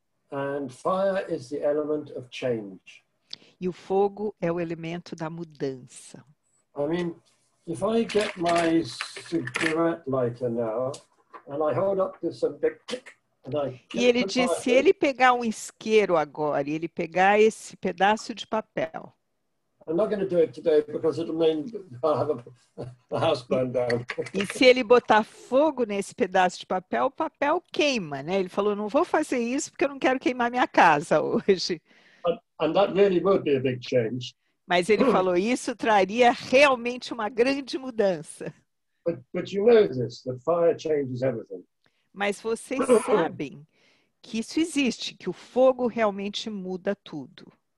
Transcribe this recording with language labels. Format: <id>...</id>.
<en>And fire is the element of change.</en> <pt>E o fogo é o elemento da mudança.</pt> <en>I mean, if I get my cigarette lighter now, and I hold up this big stick,</en> <pt>e ele disse, se ele pegar um isqueiro agora, e ele pegar esse pedaço de papel.</pt> <en>I'm not going to do it today because it'll mean I'll have a house burned down.</en> <pt>E se ele botar fogo nesse pedaço de papel, o papel queima, né? Ele falou, não vou fazer isso porque eu não quero queimar minha casa hoje.</pt> <en>And that really would be a big change.</en> <pt>Mas ele falou, isso traria realmente uma grande mudança.</pt> <en>But you know this, the fire changes everything.</en> <pt>Mas vocês sabem que isso existe, que o fogo realmente muda tudo.</pt>